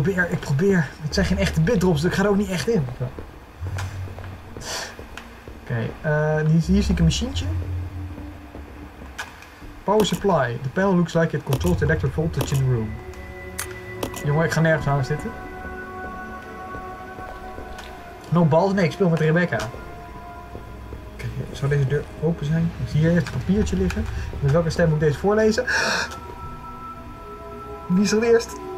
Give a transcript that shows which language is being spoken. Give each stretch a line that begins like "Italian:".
Dutch: Ik probeer. Het zijn geen echte bitdrops, dus ik ga er ook niet echt in. Oké, hier zie ik een machientje.
English: Power supply. The panel looks like it controls the electric voltage in the room.
Dutch: Jongen, ik ga nergens aan zitten.
English: No balls?
Dutch: Nee, ik speel met Rebecca. Oké, zou deze deur open zijn? Ik zie hier eerst een papiertje liggen. Met welke stem moet ik deze voorlezen? Wie is er eerst?